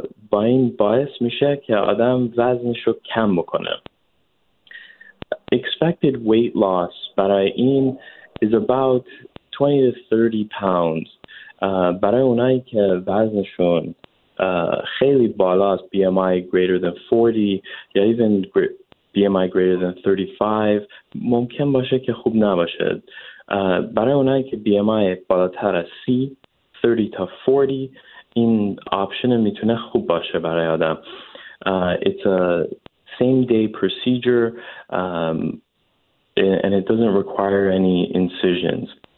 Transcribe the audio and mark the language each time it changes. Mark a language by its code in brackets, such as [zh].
[fa] با این باعث میشه که آدم وزنش رو کم بکنه. [en] Expected weight loss [fa] برای این [en] is about 20 to 30 pounds. [fa] برای اونایی که وزنشون خیلی بالاست، [en] BMI greater than 40 [fa] یا [en] even BMI greater than 35، [fa] ممکن باشه که خوب نباشد. برای اونایی که BMI بالاتر از 30 تا 40، این آپشن میتونه خوب باشه برای آدم. [en] It's a same day procedure and it doesn't require any incisions.